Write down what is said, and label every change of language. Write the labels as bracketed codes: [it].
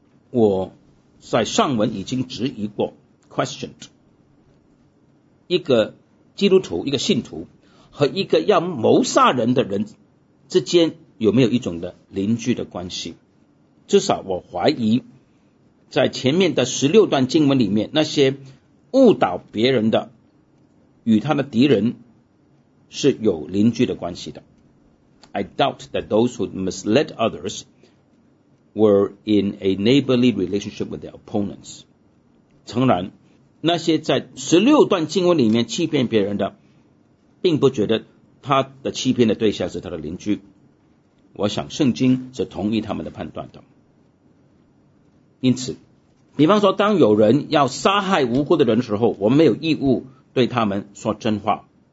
[zh] 我在上文已经质疑过 questioned 一个基督徒，一个信徒和一个要谋杀人的人之间有没有一种的邻居的关系。至少我怀疑在前面的十六段经文里面，那些误导别人的与他的敌人是有邻居的关系的。 [en] I doubt that those who misled others were in a neighborly relationship with their opponents. [zh] 诚然那些在十六段经文里面欺骗别人的，并不觉得他的欺骗的对象是他的邻居，我想圣经是同意他们的判断的。因此比方说当有人要杀害无辜的人的时候，我们没有义务对他们说真话。